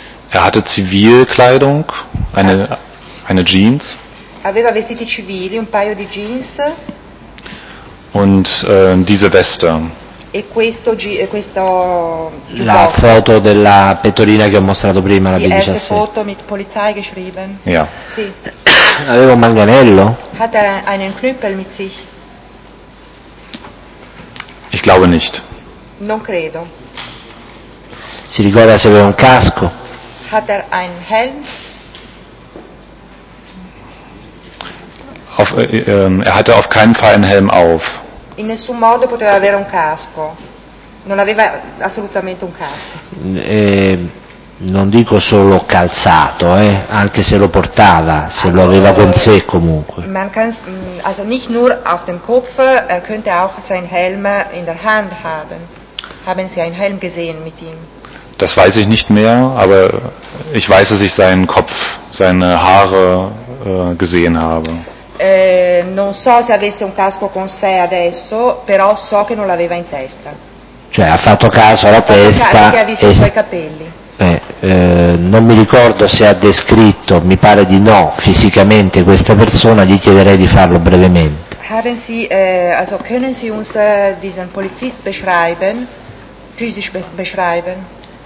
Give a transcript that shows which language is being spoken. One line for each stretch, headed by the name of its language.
German: Er hatte Zivilkleidung, eine Jeans.
Italian: Aveva vestiti civili, un paio di jeans.
German: Und diese Weste.
Italian: E questo la foto della pettorina che ho mostrato prima, la BG6.
German: Die foto mit Polizei geschrieben. Ja.
Italian: Sì. Aveva un manganello.
German: Hatte einen Knüppel mit sich. Ich glaube nicht.
Italian: Non credo. Si ricorda se aveva un casco.
German: Hat einen Helm. Er hatte auf keinen Fall einen Helm auf.
Italian: In nessun modo poteva avere un casco. Non aveva assolutamente un casco. Non dico solo calzato, anche se lo portava, se also, lo aveva con sé comunque.
German: Also nicht nur auf dem Kopf, er könnte auch sein Helm in der Hand haben. Haben Sie einen Helm gesehen mit ihm? Das weiß ich nicht mehr, aber ich weiß, dass ich seinen Kopf, seine Haare gesehen habe.
Italian: Non so se avesse un casco con sé adesso, però so che non l'aveva in testa. Cioè ha fatto caso alla testa. Ha fatto caso che ha visto i suoi capelli. Non mi ricordo se ha descritto, mi pare di no, fisicamente questa persona, gli chiederei di farlo brevemente.
German: Haben Sie, also können Sie uns diesen Polizist beschreiben, physisch beschreiben?